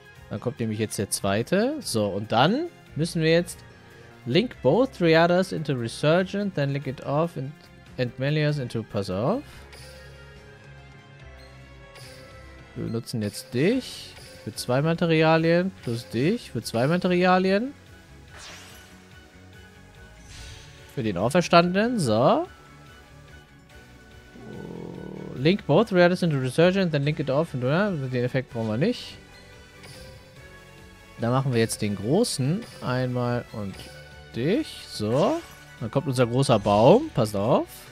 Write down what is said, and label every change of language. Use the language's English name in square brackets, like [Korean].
[German] Dann kommt nämlich jetzt der zweite. So, und dann müssen wir jetzt [English] link both Dryades into Resurgent, then link it off and Melias into... [German] Pass auf. Wir benutzen jetzt dich für 2 Materialien plus dich für 2 Materialien. Für den Auferstandenen, so. [English] Link both Realis into Resurgent, then link it off. [German] Den Effekt brauchen wir nicht. Dann machen wir jetzt den Großen einmal und dich, so. Dann kommt unser großer Baum, passt auf.